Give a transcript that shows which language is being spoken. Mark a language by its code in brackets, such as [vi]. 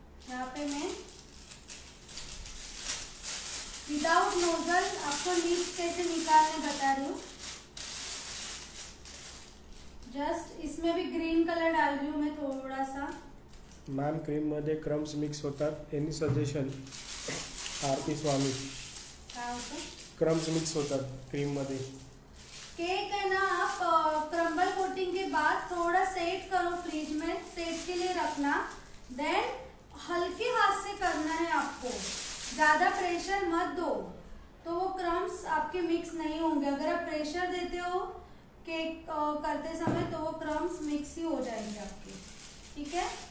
[hi] यहाँ पे मैं विदाउट नोजल आपको लीफ कैसे निकालने बता रही हूँ। जस्ट इसमें भी ग्रीन कलर डाल रही हूँ मैं थोड़ा सा। [mr] मैम क्रीम मध्ये क्रम्स मिक्स होतात, [en] Any suggestion? [mr] आरती स्वामी, क्रम्स मिक्स होतात क्रीम मध्ये? [hi] केक है ना, आप क्रम्बल कोटिंग के बाद थोड़ा सेट करो फ्रिज में, सेट के लिए रखना, देन हल्के हाथ से करना है आपको, ज्यादा प्रेशर मत दो तो वो क्रम्स आपके मिक्स नहीं होंगे। अगर आप प्रेशर देते हो केक करते समय तो वो क्रम्स मिक्स ही हो जाएंगे आपके, ठीक है?